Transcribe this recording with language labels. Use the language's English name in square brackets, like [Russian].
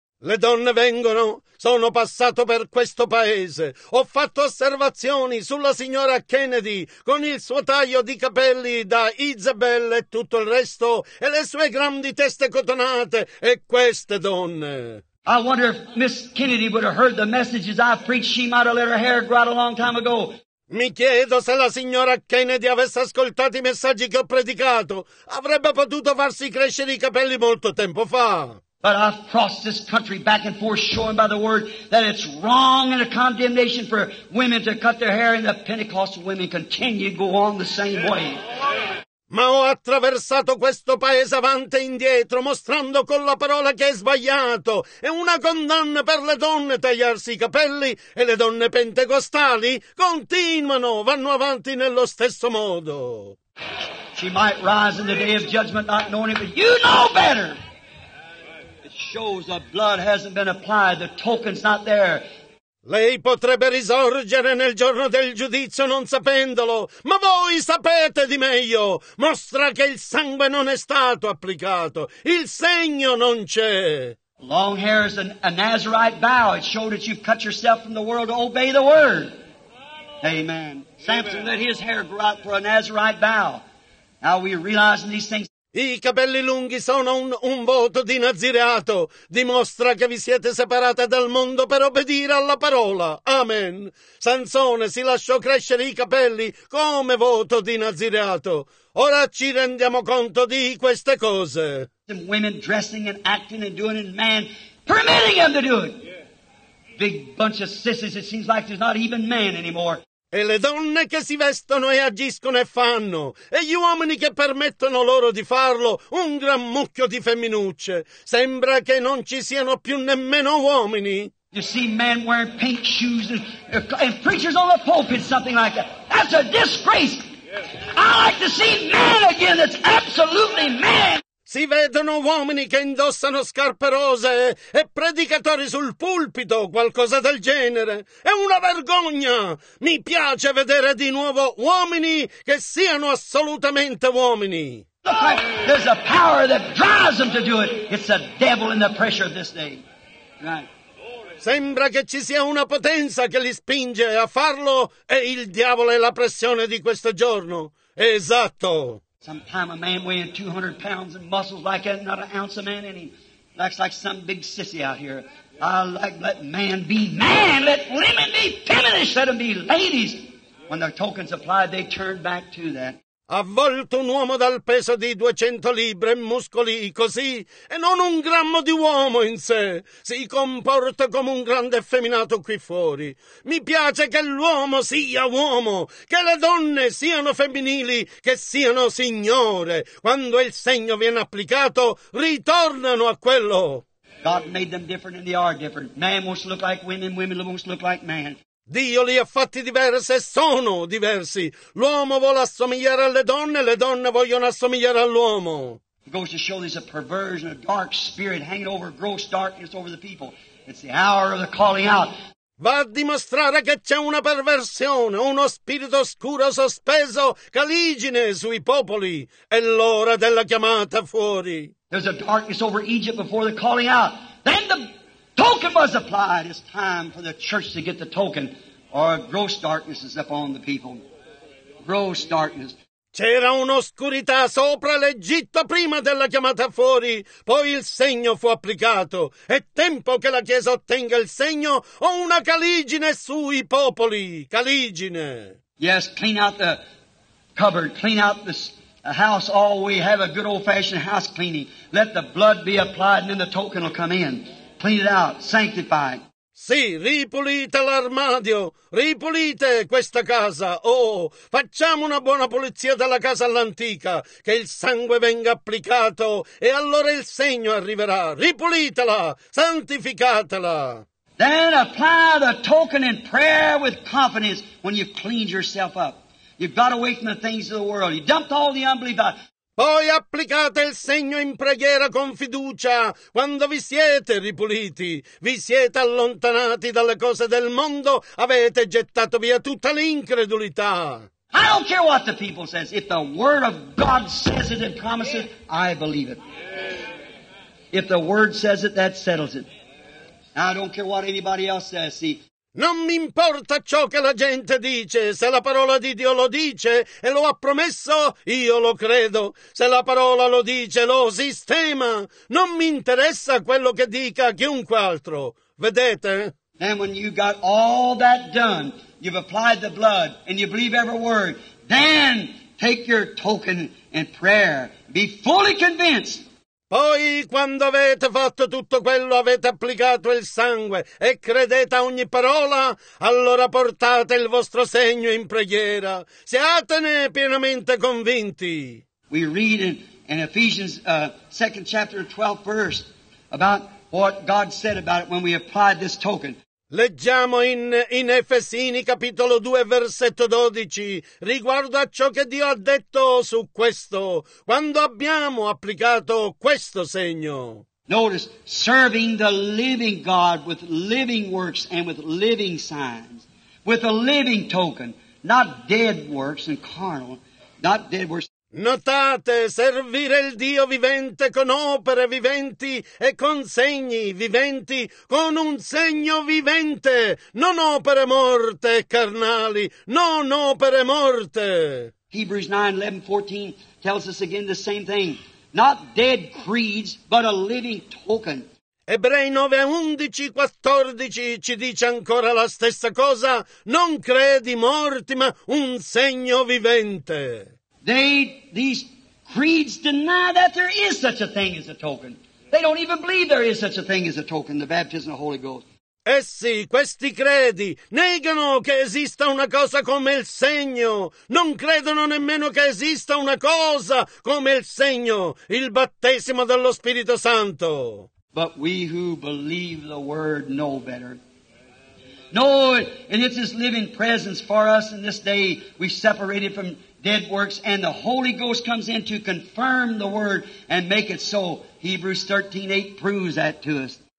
[Italian] Le donne vengono. Sono passato per questo paese. Ho fatto osservazioni sulla signora Kennedy con il suo taglio di capelli da Isabel e tutto il resto e le sue grandi teste cotonate e queste donne. [English] I wonder if Miss Kennedy would have heard the messages I preached, she might have let her hair grow out a long time ago. [Italian] Mi chiedo se la signora Kennedy avesse ascoltato i messaggi che ho predicato, avrebbe potuto farsi crescere i capelli molto tempo fa. [English] But I've crossed this country back and forth showing by the word that it's wrong and a condemnation for women to cut their hair, and the Pentecostal women continue to go on the same way. [Italian] Ma ho attraversato questo paese avanti e indietro, mostrando con la parola che è sbagliato. È una condanna per le donne tagliarsi i capelli, e le donne pentecostali continuano, vanno avanti nello stesso modo. [English] She might rise in the day of judgment not knowing it, but you know better. It shows the blood hasn't been applied, the token's not there. [Italian] Lei potrebbe risorgere nel giorno del giudizio non sapendolo, ma voi sapete di meglio. Mostra che il sangue non è stato applicato. Il segno non c'è. [English] Long hair is a Nazarite vow. It showed that you've cut yourself from the world to obey the word. Amen. Samson let his hair grow out for a Nazarite vow. Now we're realizing these things. [Italian] I capelli lunghi sono un voto di nazireato. Dimostra che vi siete separate dal mondo per obbedire alla parola. Amen. Sansone si lasciò crescere i capelli come voto di nazireato. Ora ci rendiamo conto di queste cose. [English] Some women dressing and acting and doing it, and man permitting them to do it. Big bunch of sissies, it seems like there's not even man anymore. [Italian] E le donne che si vestono e agiscono e fanno, e gli uomini che permettono loro di farlo, un gran mucchio di femminucce. Sembra che non ci siano più nemmeno uomini. [English] You see men wearing pink shoes and preachers on the pulpit, something like that. That's a disgrace. I like to see men again, that's absolutely men. [Italian] Si vedono uomini che indossano scarpe rose e predicatori sul pulpito, qualcosa del genere. È una vergogna! Mi piace vedere di nuovo uomini che siano assolutamente uomini. [English] There's a power that drives them to do it. It's the devil and the pressure of this day. Right. [Italian] Sembra che ci sia una potenza che li spinge a farlo, e il diavolo è la pressione di questo giorno. Esatto. [English] Sometime a man weighing 200 pounds and muscles like that, not an ounce of man in him. Acts like some big sissy out here. I like, let man be man, let women be feminine, let them be ladies. When their token's applied, they turn back to that. [Italian] Avvolto un uomo dal peso di 200 libbre e muscoli così, e non un grammo di uomo in sé. Si comporta come un grande effeminato qui fuori. Mi piace che l'uomo sia uomo, che le donne siano femminili, che siano signore. Quando il segno viene applicato, ritornano a quello. [English] God made them different and they are different. Man wants to look like women, women wants to look like man. [Italian] Dio li ha fatti diversi e sono diversi. L'uomo vuole assomigliare alle donne, le donne vogliono assomigliare all'uomo. [English] It goes to show there's a perversion, a dark spirit hanging over gross darkness over the people. It's the hour of the calling out. [Italian] Va a dimostrare che c'è una perversione, uno spirito oscuro sospeso, caligine sui popoli. È l'ora della chiamata fuori. [English] There's a darkness over Egypt before the calling out. Then the token was applied. It's time for the church to get the token, or gross darkness is upon the people. Gross darkness. [Italian] C'era un'oscurità sopra l'Egitto prima della chiamata fuori, poi il segno fu applicato. È tempo che la Chiesa ottenga il segno o una caligine sui popoli. Caligine. [English] Yes, clean out the cupboard, clean out the house. All we have a good old-fashioned house cleaning. Let the blood be applied and then the token will come in. Clean it out, sanctify it. [Italian] Sì, ripulite l'armadio, ripulite questa casa. Oh, facciamo una buona pulizia della casa all'antica, che il sangue venga applicato e allora il segno arriverà. Ripulitela, santificatela. [English] Then apply the token in prayer with confidence when you've cleaned yourself up. You've got away from the things of the world. You dumped all the unbelief out. [Italian] Poi applicate il segno in preghiera con fiducia quando vi siete ripuliti, vi siete allontanati dalle cose del mondo, avete gettato via tutta l'incredulità. [English] I don't care what the people says, if the word of God says it and promises it, I believe it. If the word says it, that settles it. I don't care what anybody else says, see. [Italian] Non mi importa ciò che la gente dice, se la parola di Dio lo dice e lo ha promesso, io lo credo. Se la parola lo dice, lo sistema. Non mi interessa quello che dica chiunque altro. Vedete? [English] And when you got all that done, you've applied the blood and you believe every word, then take your token and prayer. Be fully convinced. [Italian] Poi, quando avete fatto tutto quello, avete applicato il sangue e credete a ogni parola, allora portate il vostro segno in preghiera. Siatene pienamente convinti. [English] We read in Ephesians, second chapter, 12th verse, about what God said about it when we applied this token. [Italian] Leggiamo in Efesini capitolo 2 versetto 12 riguardo a ciò che Dio ha detto su questo quando abbiamo applicato questo segno. [English] Notice serving the living God with living works and with living signs, with a living token, not dead works and carnal, not dead works. [Italian] Notate, servire il Dio vivente con opere viventi e con segni viventi, con un segno vivente, non opere morte, carnali, non opere morte. [English] Hebrews 9:11-14 tells us again the same thing. Not dead creeds, but a living token. [Italian] Ebrei 9:11-14 ci dice ancora la stessa cosa. Non credi morti, ma un segno vivente. [English] These creeds deny that there is such a thing as a token. They don't even believe there is such a thing as a token, the baptism of the Holy Ghost. [Italian] Essi, questi credi, negano che esista una cosa come il segno. Non credono nemmeno che esista una cosa come il segno, il battesimo dello Spirito Santo. [English] But we who believe the word know better. Know it, and it's his living presence for us in this day. We separated from dead works, and the Holy Ghost comes in to confirm the word and make it so. Hebrews 13:8 proves that to us.